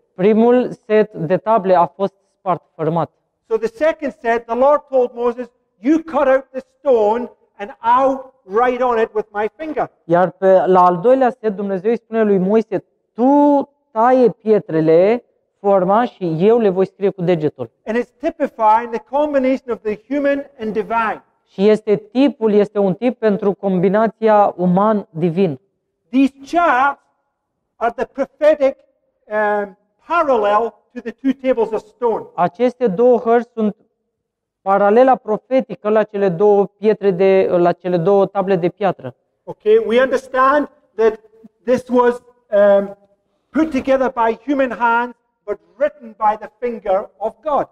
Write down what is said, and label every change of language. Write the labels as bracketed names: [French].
[Romanian] Primul set de table a fost spart, fărâmat. [English] So the second set, the Lord told Moses, "You cut out the stone and I'll write on it with my finger." [Romanian] Iar pe la al doilea set, Dumnezeu îi spune lui Moise, "Tu taie pietrele, forma și eu le voi scrie cu degetul." [English] And it's typifying the combination of the human and divine. [Romanian] Și este tipul, este un tip pentru combinația uman-divin. [English] These charts are the prophetic parallel to the two tables of stone. [Romanian] Aceste două hărți sunt paralela profetică la cele două pietre de la cele două table de piatră. [English] Okay, we understand that this was put together by human hands but written by the finger of God.